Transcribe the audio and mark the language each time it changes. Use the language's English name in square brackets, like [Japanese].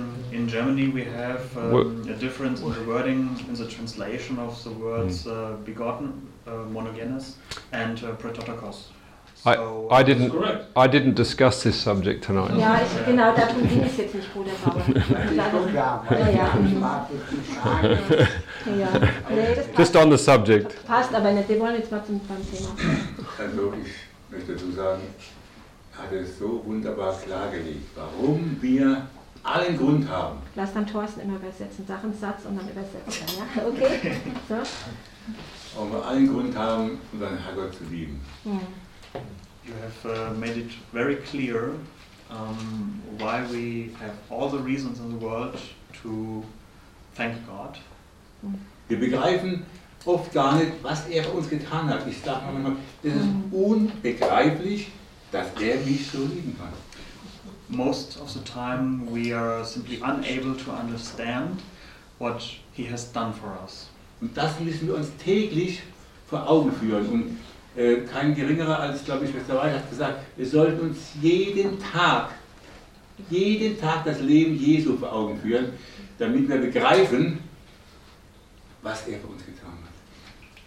[English] In Germany we have a difference in the wording, in the translation of the words begotten, monogenes, and prototokos. I didn't discuss this subject tonight. [German] Ja, genau, darum ging es jetzt nicht, Bruder Bauer. [English] Just on the subject. [German] Passt, aber nicht. Wir wollen jetzt mal zum Thema. Also ich möchte dazu sagen, hat es so wunderbar klargelegt, warum wir allen Grund haben. Lass dann Thorsten immer übersetzen, sag einen Satz und dann übersetzen, ja? Okay? So. Warum wir allen Grund haben, unseren Herrgott zu lieben. [English] You have made it very clear why we have all the reasons in the world to thank God. [German] Wir begreifen oft gar nicht, was er für uns getan hat. Ich sage mal immer, es ist unbegreiflich, dass er mich so lieben kann. [English] Most of the time we are simply unable to understand what he has done for us. [German] Und das müssen wir uns täglich vor Augen führen. Und kein geringerer als, glaube ich, Mr. Weiss hat gesagt, wir sollten uns jeden Tag das Leben Jesu vor Augen führen, damit wir begreifen, was er für uns getan hat.